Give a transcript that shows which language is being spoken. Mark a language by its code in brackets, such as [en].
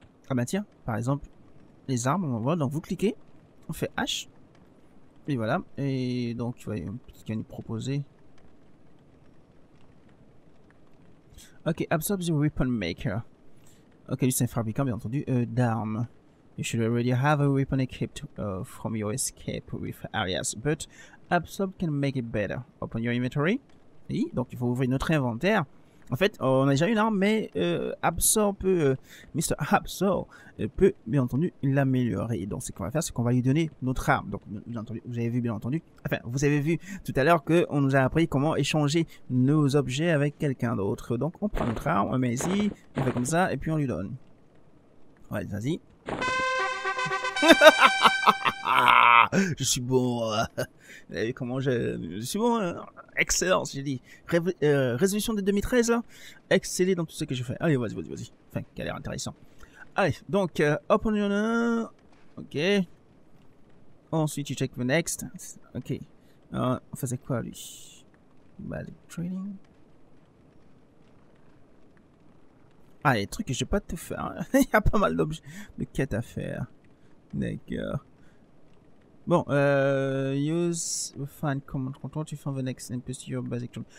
[fr] Ah, bah tiens, par exemple, les armes, on va voir. Donc, vous cliquez, on fait H. Et voilà. Et donc, il va y avoir un petit gars nous proposer. Ok, Absorb the Weapon Maker. Ok, lui, c'est un fabricant, bien entendu, d'armes. [en] You should already have a weapon equipped from your escape with Arias, but Absorb can make it better. Open your inventory. [fr] Oui, donc il faut ouvrir notre inventaire. En fait, on a déjà une arme, mais Absorb peut, Mr. Absorb peut, bien entendu, l'améliorer. Donc, ce qu'on va faire, c'est qu'on va lui donner notre arme. Donc, bien entendu, vous avez vu, bien entendu. Enfin, vous avez vu tout à l'heure qu'on nous a appris comment échanger nos objets avec quelqu'un d'autre. Donc, on prend notre arme, on met ici, on fait comme ça, et puis on lui donne. Ouais, vas-y. Je suis bon. Vous avez vu comment je suis bon. Excellent, j'ai dit. Résolution de 2013. Exceller dans tout ce que je fais. Allez, vas-y, vas-y, vas-y. Enfin, qui a l'air intéressant. Allez, donc, hop, on y en a un. [en] Ok. [fr] Ensuite, tu [en] check the next. Ok. [fr] On faisait quoi, lui? Body training. Allez, truc que je vais pas tout faire. Il y a pas mal d'objets de quêtes à faire. D'accord. [en] Bon, use the find command control to find the next NPC basic job.